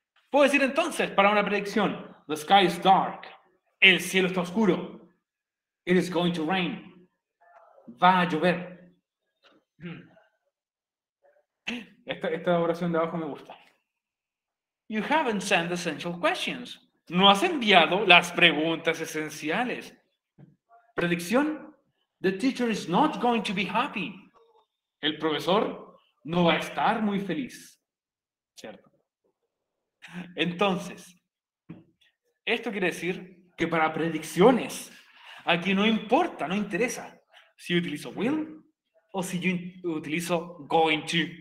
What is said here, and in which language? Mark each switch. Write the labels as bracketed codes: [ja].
[es] Puedo decir entonces para una predicción, [en] the sky is dark, [es] el cielo está oscuro, [en] it is going to rain, [es] va a llover. Esta oración de abajo me gusta. [en] You haven't sent essential questions. [es] No has enviado las preguntas esenciales. Predicción. [en] The teacher is not going to be happy. [es] El profesor no va a estar muy feliz. ¿Cierto? Entonces, esto quiere decir que para predicciones, aquí no importa, no interesa si utilizo will o si yo utilizo going to.